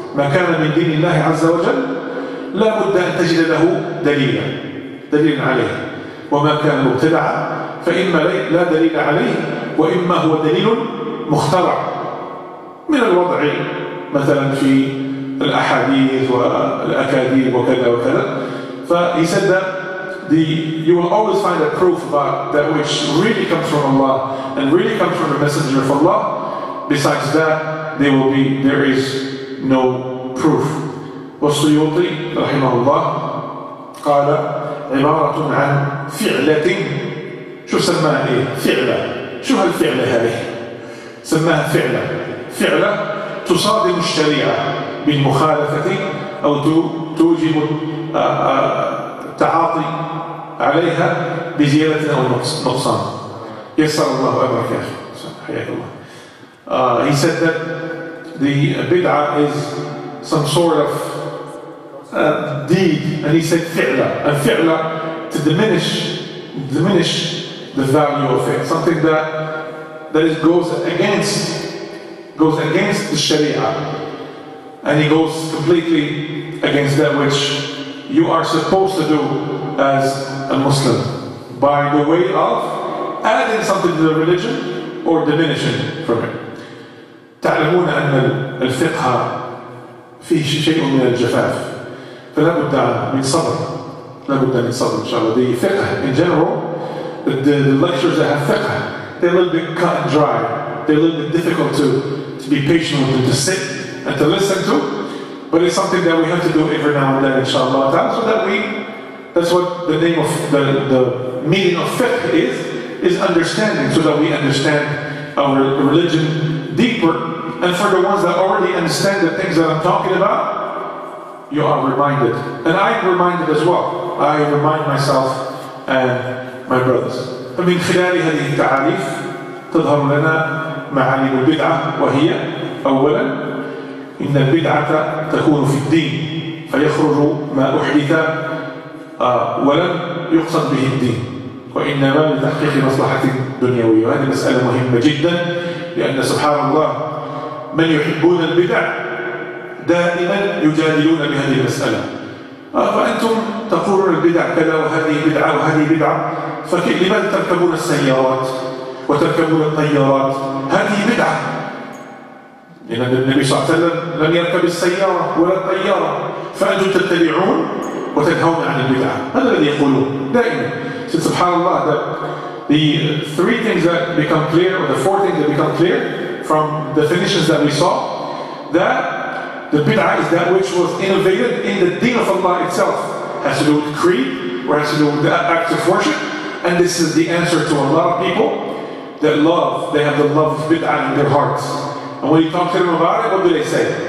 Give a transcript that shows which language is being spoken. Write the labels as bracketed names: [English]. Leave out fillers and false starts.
[Arabic] ما كان من دين الله عز وجل لا بد أن تجد له دليلا عليه. وما كان مبتدعا فإما لا دليل عليه وإما هو دليل مخترع من الوضع مثلا في الأحاديث والأكاذيب وكذا وكذا. فهي [English] said that you will always find a proof about that which really comes from Allah and really comes from the messenger of Allah. Besides that, there is no proof. [Arabic] والسيوطي رحمه الله قال عبارة عن فعلة. شو سماها إيه؟ فعلة. شو هالفعلة هذه؟ سماها فعلة. فعلة تصادم الشريعة بالمخالفة أو توجب التعاطي عليها بزيادة أو نقصان. يسر الله أمرك يا أخي. حياك الله. [English] He said that the bid'ah is some sort of deed, and he said fi'la, and fi'la to diminish the value of it, something that goes against the sharia, and he goes completely against that which you are supposed to do as a Muslim by the way of adding something to the religion or diminishing from it. [Arabic] تعلمون أن الفقه فيه شيء من الجفاف فلا بد من صبر. لا بد من صبر إن شاء الله. [English] The fiqh in general, the lectures that have fiqh, they're a little bit cut and dry. They're a little bit difficult to be patient with and to sit and to listen to. But it's something that we have to do every now and then, inshallah. That's what the name of the meaning of fiqh is understanding, so that we understand our religion deeper. And for the ones that already understand the things that I'm talking about, you are reminded. And I am reminded as well. I remind myself and my brothers. [Arabic] فمن خلال هذه التعاريف تظهر لنا معاني البدعة وهي أولا إن البدعة تكون في الدين فيخرج ما أحدث ولم يقصد به الدين وإنما لتحقيق مصلحة دنيوية. وهذه مسألة مهمة جدا لأن سبحان الله من يحبون البدع دائما يجادلون بهذه المسألة. فأنتم تقولون البدع كذا وهذه بدعة وهذه بدعة، فلماذا تركبون السيارات وتركبون الطيارات؟ هذه بدعة. لأن النبي صلى الله عليه وسلم لم يركب السيارة ولا الطيارة، فأنتم تتبعون وتنهون عن البدعة. هذا الذي يقولون دائما. سبحان الله. [English] The three things that become clear, or the four things that become clear from definitions that we saw, that the bid'ah is that which was innovated in the deen of Allah itself. Has to do with creed, or has to do with the act of worship. And this is the answer to a lot of people that love, they have the love of bid'ah in their hearts. And when you talk to them about it, what do they say?